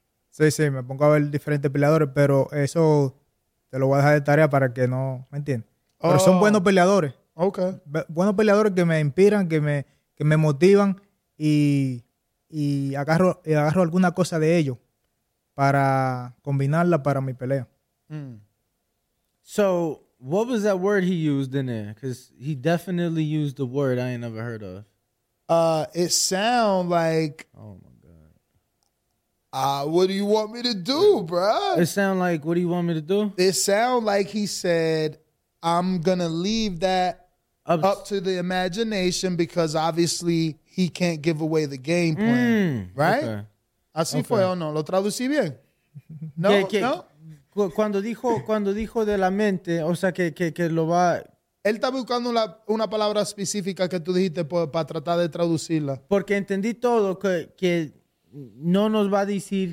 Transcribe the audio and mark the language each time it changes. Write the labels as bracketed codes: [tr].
[es] Sí, sí, me pongo a ver diferentes peleadores, pero eso te lo voy a dejar de tarea para que no... ¿Me entiendes? Pero son buenos peleadores. Ok. Buenos peleadores que me inspiran, que me motivan y agarro alguna cosa de ellos para combinarla para mi pelea. Mm. [en] So, what was that word he used in there? Because he definitely used the word I ain't never heard of. It sound like... Oh, my God. What do you want me to do, bro? It sound like he said, I'm going to leave that up to the imagination because obviously he can't give away the game plan, right? [es] Okay. Así okay. fue o no, lo traducí bien. No. Cuando dijo de la mente, o sea que lo va. Él está buscando una palabra específica que tú dijiste para tratar de traducirla. Porque entendí todo que no nos va a decir.